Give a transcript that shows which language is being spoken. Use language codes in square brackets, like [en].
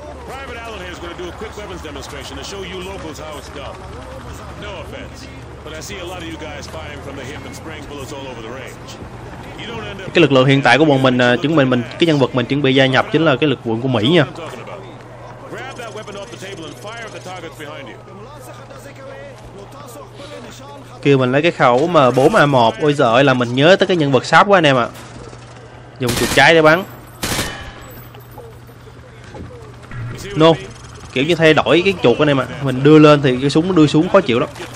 [en] Private Allen here is going to do a quick weapons demonstration to show you locals how it's done. No offense, but I see a lot of you guys firing from the hip and spraying bullets all over the range. You don't end up. [vi] Cái lực lượng hiện tại của bọn mình, chúng mình cái nhân vật mình chuẩn bị gia nhập chính là cái lực lượng của Mỹ nha. [en] Grab that weapon off the table and fire at the targets behind you. [vi] Kêu mình lấy cái khẩu mà 4A1. Ôi giời, là mình nhớ tới cái nhân vật Sharp quá anh em ạ. Dùng chuột trái để bắn. No, kiểu như thay đổi cái chuột anh em ạ. Mình đưa lên thì cái súng nó đưa xuống khó chịu lắm.